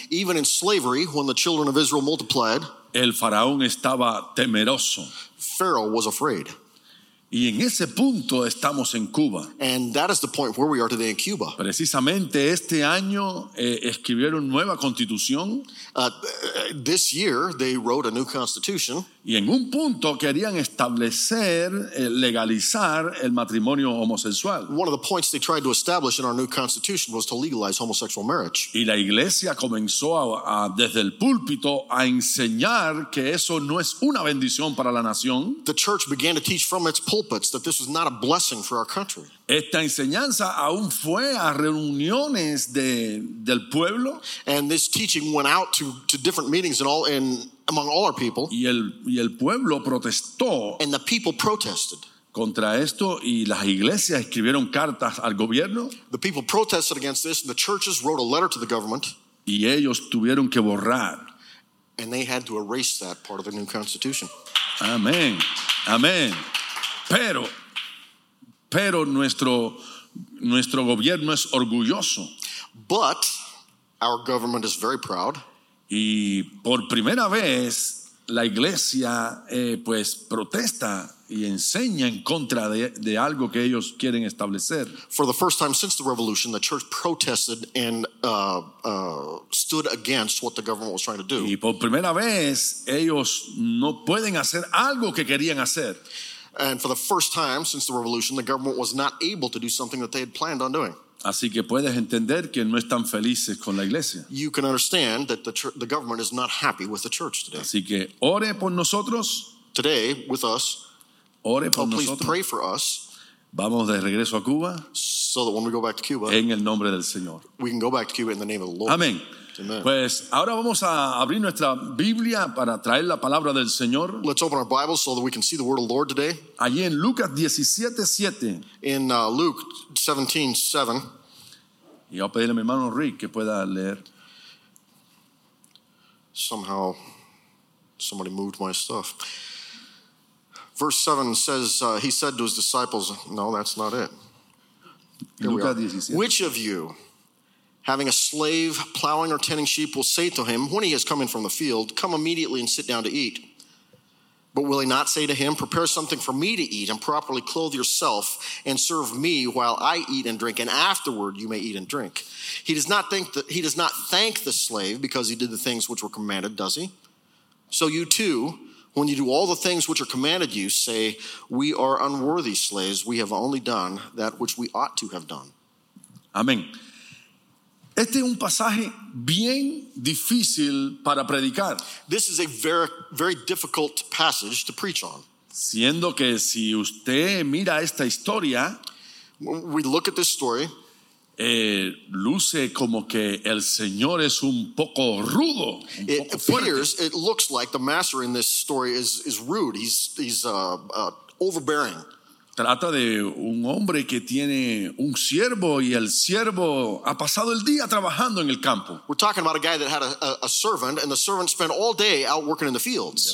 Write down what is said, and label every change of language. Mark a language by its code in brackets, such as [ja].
[en] even in slavery, when the children of Israel multiplied, [es] el faraón estaba temeroso. [en] Pharaoh was afraid. [es] Y en ese punto estamos en Cuba. [en] And that is the point where we are today in Cuba. [es] Precisamente este año escribieron nueva constitución. [en] This year they wrote a new constitution. [es] Y en un punto querían establecer, legalizar el matrimonio homosexual. [en] One of the points they tried to establish in our new constitution was to legalize homosexual marriage. [es] Y la iglesia comenzó a desde el púlpito a enseñar que eso no es una bendición para la nación. [en] The church began to teach from its pulpits that this was not a blessing for our country. [es] Esta enseñanza aún fue a reuniones del pueblo. [en] And this teaching went out to different meetings among all our people. [es] Y el pueblo protestó. [en] And the people protested. [es] Contra esto y las iglesias escribieron cartas al gobierno. [en] The people protested against this and the churches wrote a letter to the government. [es] Y ellos tuvieron que borrar. [en] And they had to erase that part of the new constitution. [es] Amén. Amén. Pero nuestro gobierno es orgulloso. [en] But our government is very proud. [es] Y por primera vez la iglesia pues protesta y enseña en contra de algo que ellos quieren establecer. [en] For the first time since the revolution, the church protested and stood against what the government was trying to do. [es] Y por primera vez ellos no pueden hacer algo que querían hacer. [en] And for the first time since the revolution, the government was not able to do something that they had planned on doing. [es] Así que puedes entender que no están felices con la iglesia. [en] You can understand that the government is not happy with the church today. [es] Así que ore por nosotros. [en] Today, with us. [es] Ore por nosotros. [en] Please pray for us. [es] Vamos de regreso a Cuba. [en] So that when we go back to Cuba. [es] En el nombre del Señor. [en] We can go back to Cuba in the name of the Lord. [es] Amén. Pues ahora vamos a abrir nuestra Biblia para traer la palabra del Señor. [en] Let's open our Bibles so that we can see the word of the Lord today. [es] Allí en Lucas 17:7. [en] In Luke 17:7. [es] Y voy a pedirle a mi hermano Rick que pueda leer. [en] Somehow somebody moved my stuff. Verse 7 says, he said to his disciples, no, that's not it. Which of you, having a slave plowing or tending sheep, will say to him, when he has come in from the field, come immediately and sit down to eat? But will he not say to him, prepare something for me to eat and properly clothe yourself and serve me while I eat and drink, and afterward you may eat and drink? He does not thank the slave because he did the things which were commanded, does he? So you too, when you do all the things which are commanded you, say, we are unworthy slaves. We have only done that which we ought to have done. [es] Amén. Este es un pasaje bien difícil para predicar. [en] This is a very, very difficult passage to preach on. [es] Siendo que si usted mira esta historia, [en] when we look at this story, [es] luce como que el Señor es un poco rudo. [en] It looks like the master in this story is rude. He's overbearing. [es] Trata de un hombre que tiene un siervo y el siervo ha pasado el día trabajando en el campo. [en] We're talking about a guy that had a servant and the servant spent all day out working in the fields.